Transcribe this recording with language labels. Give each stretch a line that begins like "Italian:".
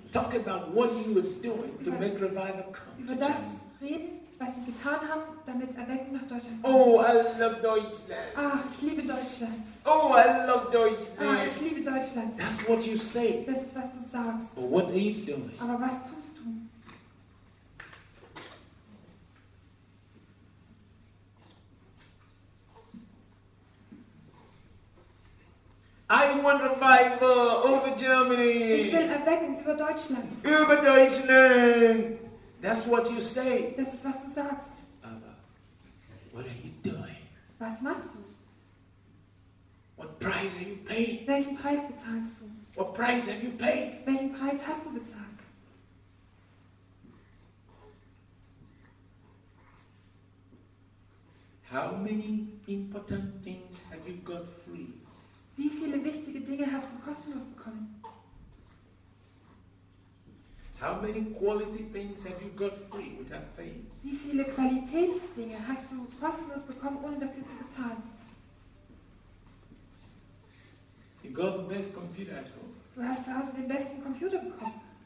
English: Talk about what you were doing to make revival come.
German: Über das reden, was sie getan haben, damit Erweckung nach Deutschland kommt.
English: Oh, I love Deutschland.
German: Ach, ich liebe Deutschland.
English: Oh, I love Deutschland.
German: Ach, ich liebe Deutschland.
English: That's what you say.
German: Das ist, was du sagst.
English: But what are you doing?
German: Aber was tust du?
English: I want revival over Germany.
German: Ich will Erweckung über Deutschland. Über Deutschland.
English: That's what you say.
German: Das ist, was du sagst.
English: Aber, what are you doing?
German: Was machst du?
English: What price are you paying?
German: Welchen Preis bezahlst du?
English: What price have you paid?
German: Welchen Preis hast du bezahlt?
English: How many important things have you got free?
German: Wie viele wichtige Dinge hast du kostenlos bekommen?
English: How many quality things have you got free without paying?
German: Wie viele Qualitätsdinge hast du kostenlos bekommen, ohne dafür zu bezahlen?
English: You got the best computer at home.
German: Du hast zu Hause den besten Computer bekommen.